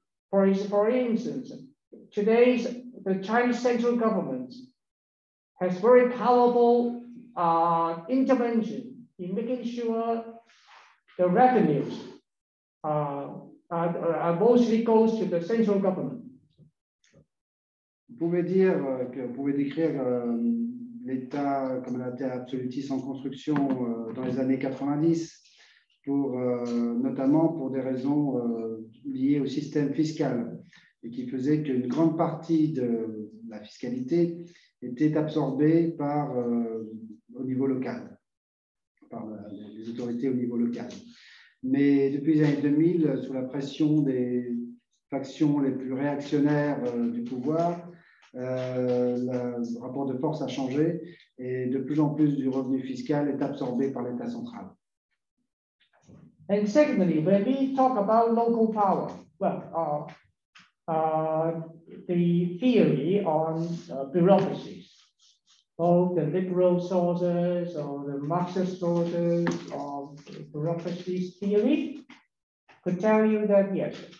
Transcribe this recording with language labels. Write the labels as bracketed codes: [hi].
[en] for instance, today's the Chinese central government has very powerful intervention in making sure the revenues are mostly goes to the central government. [fr] Vous pouvez dire que vous pouvez décrire l'État comme un État absolutiste en construction dans les années 90, pour, notamment pour des raisons liées au système fiscal, et qui faisait qu'une grande partie de la fiscalité était absorbée par, au niveau local, par les autorités au niveau local. Mais depuis les années 2000, sous la pression des factions les plus réactionnaires du pouvoir, Le rapport de force a changé et de plus en plus du revenu fiscal est absorbé par l'État central. [en] And secondly, when we talk about local power, well, the theory on bureaucracies, both the liberal sources or the Marxist sources of bureaucracies theory, could tell you that yes,